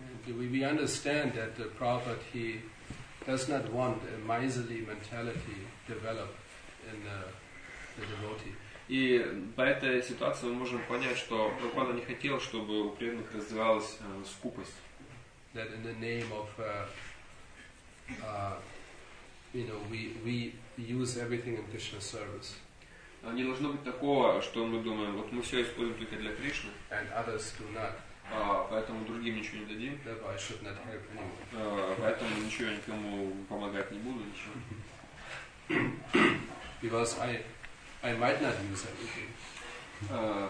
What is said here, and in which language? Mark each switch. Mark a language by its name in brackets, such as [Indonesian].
[Russian] Мы понимаем, что Прабхупад не хочет, чтобы мизерный менталитет развивался в девоте. И по этой ситуации мы можем понять, что Прабхупада не хотел, чтобы у преданных развивалась скупость. [English] That in the name of, you know, we use everything in Krishna's service. [Russian] Не должно быть такого, что мы думаем, вот мы все используем только для Кришны. [English] And others do not. [Russian] поэтому другим ничего не дадим. [English] I should not help anyone. [Russian] Поэтому ничего никому помогать не буду, ничего. [English] Because I might not use everything.